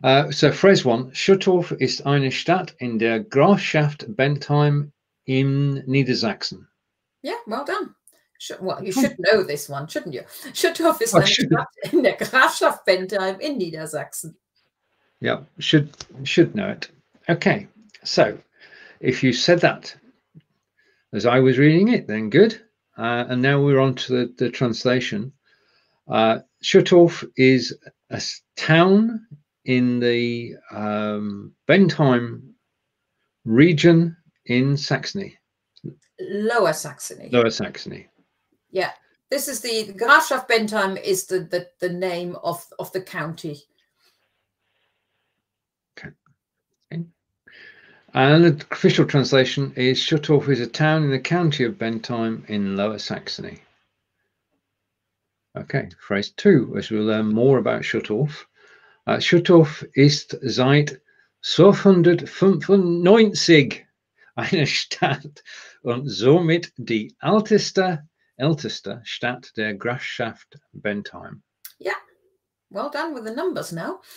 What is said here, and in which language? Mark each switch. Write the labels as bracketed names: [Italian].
[English] So phrase one, [German] Schüttorf ist eine Stadt in der Grafschaft Bentheim in Niedersachsen. [English] Yeah, well done. Well, you should know this one, shouldn't you? [German] Schüttorf ist eine Stadt in der Grafschaft Bentheim in Niedersachsen. [English] Yeah, should know it. Okay, so if you said that as I was reading it, then good. And now we're on to the translation. Schüttorf is a town in the Bentheim region in Saxony. Lower Saxony. Yeah, this is the Grafschaft Bentheim is the name of the county. And the official translation is Schüttorf is a town in the county of Bentheim in Lower Saxony. Okay, phrase two, as we'll learn more about Schüttorf. [German] Schüttorf ist seit 1295 eine Stadt und somit die älteste Stadt der Grafschaft Bentheim. [English] Yeah, well done with the numbers now.